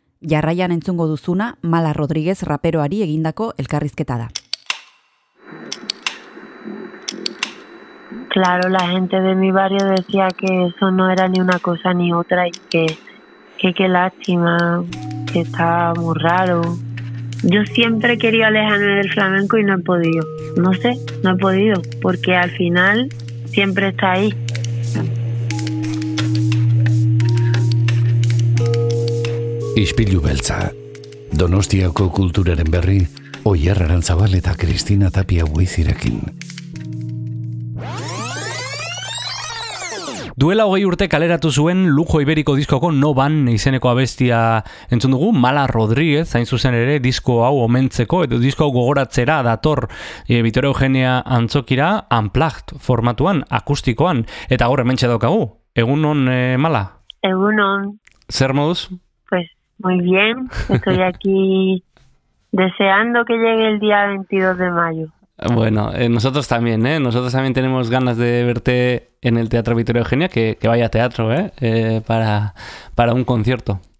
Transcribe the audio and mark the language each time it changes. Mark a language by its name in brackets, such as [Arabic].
[Basque] Jarraian entzungo duzuna Mala Rodriguez raperoari egindako elkarrizketa da. [Spanish] Claro, la gente de mi barrio decía que eso no era ni una cosa ni otra y que lástima, que estaba muy raro. Yo siempre quería alejarme del flamenco y no he podido. No sé, no he podido, porque al final siempre está ahí. [Basque] Ispilu beltza. Donostiako kulturaren berri, Oier Arantzabal eta Kristina Tapia Buizirekin. Duela 20 urte kaleratu zuen Lujo Iberiko diskoko No Ban izeneko abestia entzun dugu Mala Rodriguez, hain zuzen ere disko hau omentzeko edo disko hau gogoratzera dator Vitor Eugenia Antzokira Unplugged formatuan, akustikoan, eta gaur hementxe daukagu. Egunon, Mala? Egunon. Zer moduz? [Spanish] Pues, muy bien, estoy aquí deseando que llegue el día 22 de mayo. Bueno, nosotros también, ¿eh? Nosotros también tenemos ganas de verte en el Teatro Vitor Eugenia, que vaya teatro, ¿eh? Para un concierto.